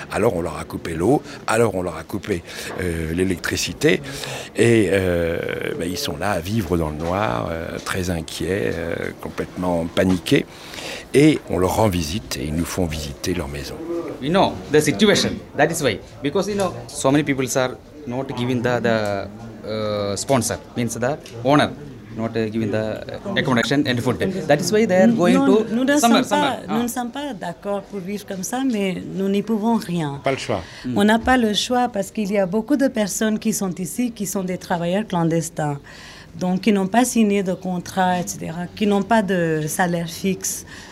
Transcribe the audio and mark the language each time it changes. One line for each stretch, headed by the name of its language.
French: Alors on leur a coupé l'eau, alors on leur a coupé l'électricité. Et ils sont là à vivre dans le noir, très inquiets, complètement paniqués. Et on leur rend visite et ils nous font visiter leur maison.
English: We know the situation, that is why. Because you know, so many people are not giving the sponsor, means the owner. Not giving the accommodation and food. That is why they are going to nous ne summer. Pas, summer.
French: Nous ne sommes pas d'accord pour vivre comme ça, mais nous n'y pouvons rien. Pas le choix. On n'a pas le choix parce qu'il y a beaucoup de personnes qui sont ici qui sont des travailleurs clandestins. Donc, qui n'ont pas signé de contrat, etc. Qui n'ont pas de salaire fixe.